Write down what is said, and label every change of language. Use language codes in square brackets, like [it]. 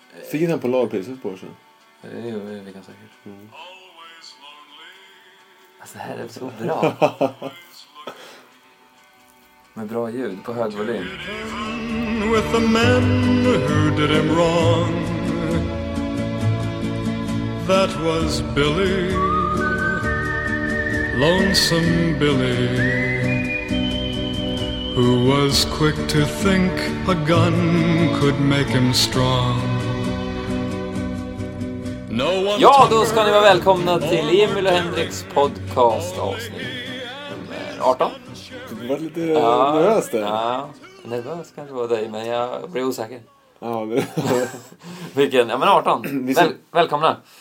[sv] Fick den på lagpriset på sen? Jo, det är lika säkert. Mm. Alltså, det här är så bra. Med bra ljud på hög volym. [en] With the men who did him wrong. That was Billy. Lonesome Billy. Who was quick to think a gun could make him strong. [sv] Ja, då ska ni vara välkomna till Emil och Henriks podcast avsnitt 18. Det var lite nervöst där. Ja, nervös kanske var dig, men jag blev osäker. Ja, Vilken? Ja, men 18. Välkomna.